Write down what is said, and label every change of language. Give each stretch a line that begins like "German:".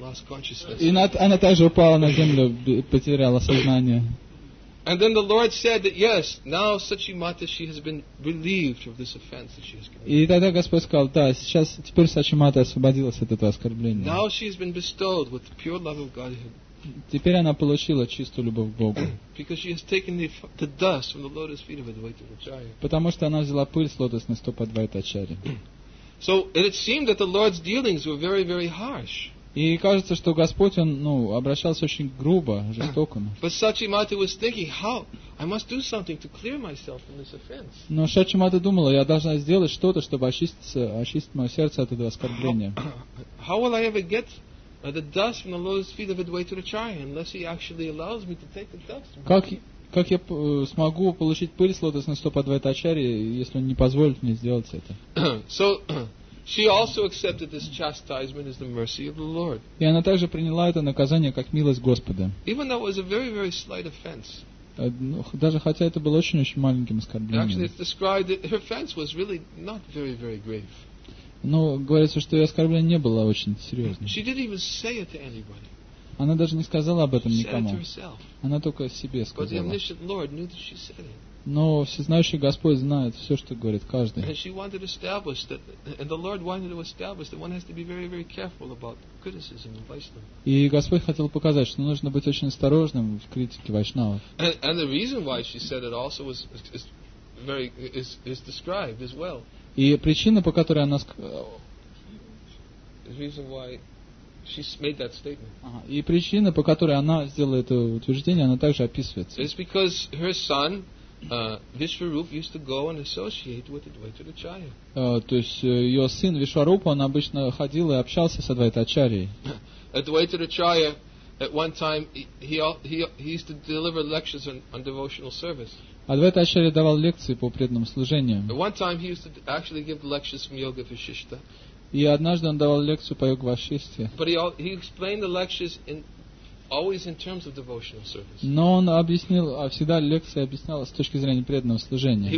Russian: она также упала на землю, потеряла сознание.
English: And then the Lord said that yes, now Сачимата, she has been relieved of this offense that she has committed.
Russian: И тогда Господь сказал, да, сейчас теперь Сачимата освободилась от этого оскорбления.
English: Now she has been bestowed with the pure love of Godhead.
Russian: Теперь она получила чистую любовь к Богу.
English: Because she has taken the dust from the lotus feet of Advaita Acharya.
Russian: Потому что она взяла пыль с лотосных стоп Адвайта Ачарьи.
English: So it seemed that the Lord's dealings were very, very harsh.
Russian: И кажется, что Господь, он, ну, обращался очень грубо, жестоко.
English: But Сачимата was thinking, how I must do something to clear myself from this offense.
Russian: Но Сачимата думала, я должна сделать что-то, чтобы очистить мое сердце от этого оскорбления.
English: How will I ever get the dust from the lotus feet of Advaita Acharya unless he actually allows me to take the dust?
Russian: Как я смогу получить пыль с лотосных стоп Адвайта Ачарьи, если он не позволит мне сделать это?
English: So she also accepted this chastisement as the mercy of the Lord.
Russian: И она также приняла это наказание как милость Господа.
English: Even though it was a very, very slight offense.
Russian: Даже хотя это было очень-очень маленьким оскорблением.
English: Actually, it's described that her offense was really not very, very grave.
Russian: Но говорится, что ее оскорбление не было очень серьезным.
English: She didn't even say it to anybody.
Russian: Она даже не сказала об этом никому.
English: She said it to herself.
Russian: Она только о себе сказала.
English: But the omniscient Lord knew that she said it.
Russian: Но всезнающий Господь знает все, что говорит каждый.
English: And she wanted to establish that, and the Lord wanted to establish that one has to be very, very careful about criticism and vaishnava.
Russian: И Господь хотел показать, что нужно быть очень осторожным в критике вайшнавов.
English: And the reason why she said it also was very is described as well.
Russian: И причина, по которой она сделала это утверждение, она также описывается.
English: It's because her son Вишварупа used to go and associate with Advaita Acharya.
Russian: То есть ее сын Вишварупа, он обычно ходил и общался с Адвайта Ачарьей.
English: Advaita Acharya at one time he used to deliver lectures on devotional service.
Russian: Адвайта Ачарья давал лекции по преданному служению.
English: One time he used to actually give lectures from Yoga Vasishtha.
Russian: И однажды он давал лекцию по Йога Вашисте.
English: But he explained the lectures in always in terms of devotional service.
Russian: Но он объяснил, а всегда лекции объяснял с точки зрения преданного служения.